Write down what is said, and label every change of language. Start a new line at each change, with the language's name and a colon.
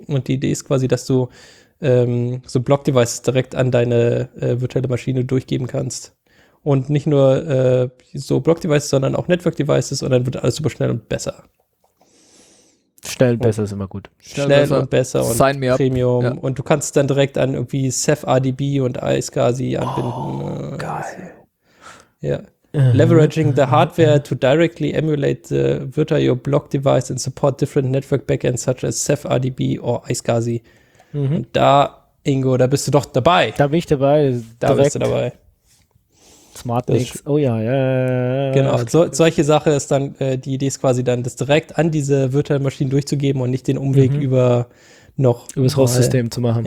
German: Und die Idee ist quasi, dass du so Block-Devices direkt an deine virtuelle Maschine durchgeben kannst. Und nicht nur so Block-Devices, sondern auch Network-Devices, und dann wird alles super schnell und besser. Schnell und besser ist immer gut. Schnell besser. Und besser und
English: Sign me up.
German: Premium. Ja. Und du kannst dann direkt an irgendwie CephRDB und iSCSI anbinden. Oh, geil. Ja.
English: Leveraging the hardware to directly emulate the virtual block device and support different network backends such as CephRDB or iSCSI. Mhm.
German: Und da, Ingo, da bist du doch dabei. Da bin ich dabei. Da direkt. Bist du dabei. Smart Links. Oh ja, ja, ja, ja. Genau, okay. Solche Sache ist dann, die Idee ist quasi dann, das direkt an diese virtuellen Maschinen durchzugeben und nicht den Umweg über noch. Über das Host-System zu machen.